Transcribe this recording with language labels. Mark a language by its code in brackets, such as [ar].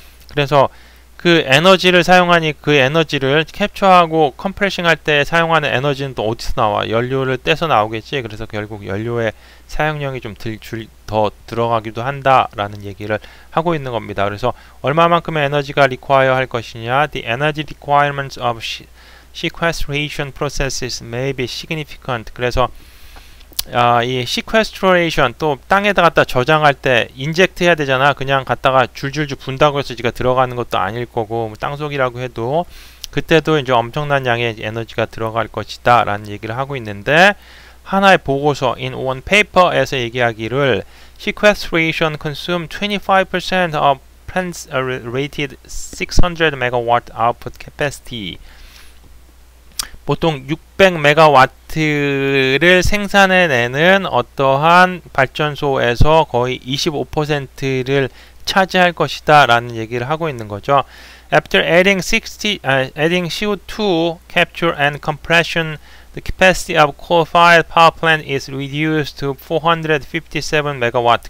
[ko] 그래서 그 에너지를 사용하니 그 에너지를 캡처하고 컴프레싱 할 때 사용하는 에너지는 또 어디서 나와? 연료를 떼서 나오겠지. 그래서 결국 연료의 사용량이 좀 더 들어가기도 한다라는 얘기를 하고 있는 겁니다. 그래서 얼마만큼의 에너지가 require 할 것이냐? [en] The energy requirements of sequestration processes may be significant. [ko] 그래서 이 sequestration 또 땅에다 갖다 저장할 때 inject 해야 되잖아. 그냥 갖다가 줄줄줄 분다고 해서 지가 들어가는 것도 아닐 거고, 뭐 땅속이라고 해도 그때도 이제 엄청난 양의 에너지가 들어갈 것이다 라는 얘기를 하고 있는데, 하나의 보고서 [en] in one paper [ko] 에서 얘기하기를 [en] sequestration consume 25% of plants rated 600 megawatt output capacity. [ko] 보통 600MW를 생산해내는 어떠한 발전소에서 거의 25%를 차지할 것이다 라는 얘기를 하고 있는 거죠. [en] After adding CO2 capture and compression, the capacity of coal-fired power plant is reduced to 457MW.